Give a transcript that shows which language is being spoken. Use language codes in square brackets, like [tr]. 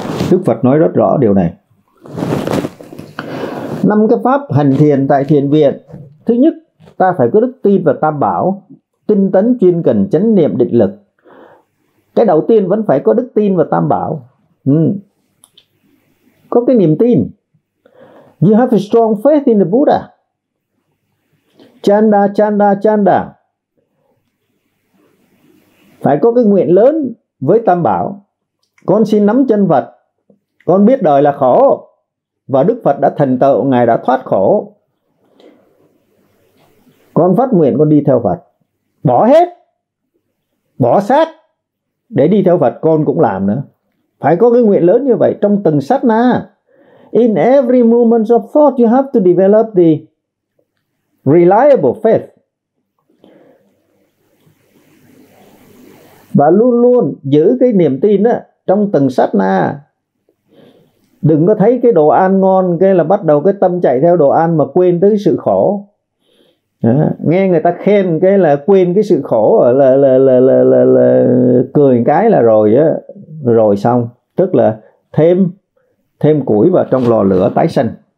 [vi] Đức Phật nói rất rõ điều này. Năm cái pháp hành thiền tại thiền viện. Thứ nhất, ta phải có đức tin và tam bảo, tinh tấn chuyên cần chánh niệm định lực. Cái đầu tiên vẫn phải có đức tin và tam bảo. Có cái niềm tin. [en] You have a strong faith in the Buddha. [pi] Chanda, chanda, chanda. [vi] Phải có cái nguyện lớn với tam bảo. Con xin nắm chân Phật. Con biết đời là khổ và Đức Phật đã thành tựu, Ngài đã thoát khổ. Con phát nguyện con đi theo Phật, bỏ hết, bỏ xác để đi theo Phật, con cũng làm nữa. Phải có cái nguyện lớn như vậy trong từng sát na. [en] In every moment of thought you have to develop the reliable faith. [vi] Và luôn luôn giữ cái niềm tin á trong từng sát na. Đừng có thấy cái đồ ăn ngon cái là bắt đầu cái tâm chạy theo đồ ăn mà quên tới sự khổ. Nghe người ta khen cái là quên cái sự khổ, là cười cái là rồi á, rồi xong, tức là thêm củi vào trong lò lửa tái sinh.